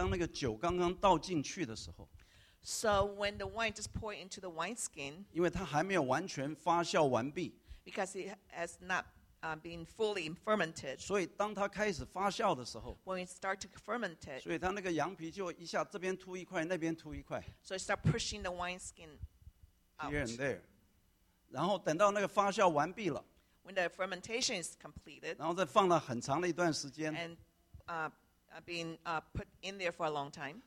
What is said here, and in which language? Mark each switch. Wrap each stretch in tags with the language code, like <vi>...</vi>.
<zh>但是那个羊皮哦，它倒当那个酒刚刚倒进去的时候。</zh> <en>So when the wine just poured into the wineskin.</en> <zh>因为它还没有完全发酵完毕。</zh> <en>Because it has not been fully fermented.</en> <zh>所以当它开始发酵的时候。</zh> <en>When it started to ferment it.</en> <zh>所以它那个羊皮就一下这边凸一块，那边凸一块。</zh> <en>So it started pushing the wineskin out. Here and there.</en> <zh>然后等到那个发酵完毕了。</zh> <en>When the fermentation is completed.</en> <zh>然后再放了很长的一段时间。</zh> <en>And been put in there for a long time.</en>